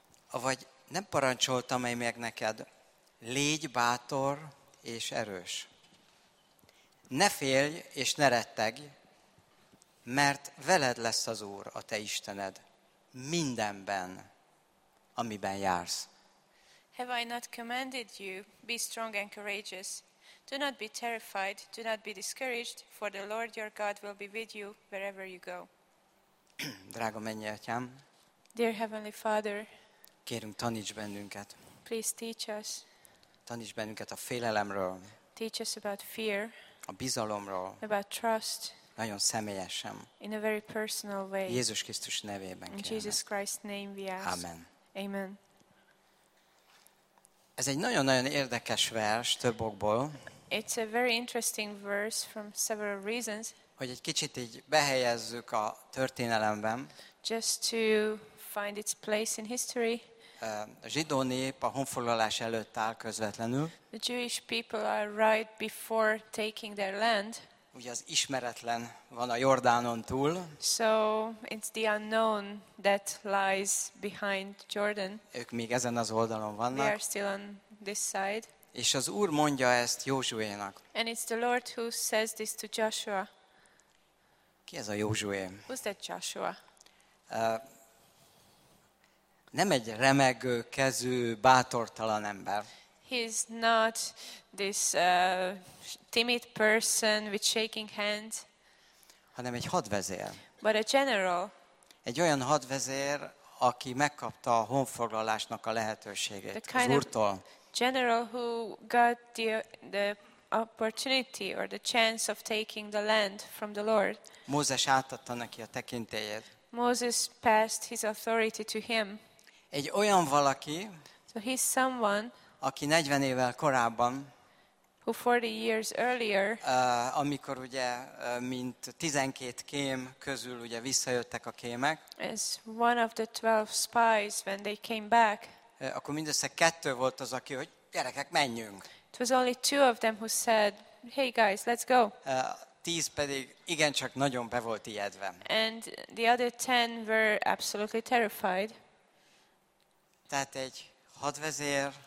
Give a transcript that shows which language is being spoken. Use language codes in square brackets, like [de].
[hu] Avagy nem parancsoltam-e még neked, légy bátor és erős. Ne félj és ne rettegj, mert veled lesz az Úr, a te Istened, mindenben, amiben jársz. [en] Have I not commanded you, be strong and courageous. Do not be terrified, do not be discouraged, for the Lord your God will be with you wherever you go. [hu] Drága mennyi atyám, [en] Dear Heavenly Father, [hu] kérünk taníts bennünket. [en] Please teach us. [hu] Taníts bennünket a félelemről. [en] Teach us about fear. [hu] A bizalomról. [en] About trust. [hu] Nagyon személyesen. [en] In a very personal way. [hu] Jézus Krisztus nevében kérem. [en] In Jesus Christ's name we ask. [hu] Amen. [en] Amen. [hu] Ez egy nagyon-nagyon érdekes vers több okból. [en] It's a very interesting verse from several reasons. [hu] Hogy egy kicsit így behelyezzük a történelemben. [en] Just to find its place in history. [hu] A zsidó nép a honfoglalás előtt áll közvetlenül. [en] The Jewish people are right before taking their land. [hu] Ugye az ismeretlen van a Jordánon túl. [en] So it's the unknown that lies behind Jordan. [hu] Ők még ezen az oldalon vannak. [en] We are still on this side. [hu] És az Úr mondja ezt Józsuénak. [en] And it's the Lord who says this to Joshua. [hu] Ki ez a Józsué? [en] Who's that Joshua? [hu] Nem egy remegő kezű bátortalan ember. [en] He's not this timid person with shaking hands. [hu] Hanem egy hadvezér. [en] But a general. [hu] Egy olyan hadvezér, aki megkapta a honfoglalásnak a lehetőségét az Úrtól. [en] General who got the opportunity or the chance of taking the land from the Lord. [hu] Mózes átadta neki a tekintélyét. [en] Moses passed his authority to him. [hu] Egy olyan valaki, [en] so he's someone, [hu] aki 40 évvel korábban, [en] who 40 years earlier, [hu] amikor ugye mint 12 kém közül ugye visszajöttek a kémek, [en] as one of the 12 spies when they came back, [hu] akkor mindössze kettő volt az, aki, hogy gyerekek, menjünk. [en] It was only two of them who said, hey guys, let's go. [hu] 10 pedig igencsak nagyon be volt ijedve. [en] And the other 10 were absolutely terrified. [hu] Tehát egy hadvezér,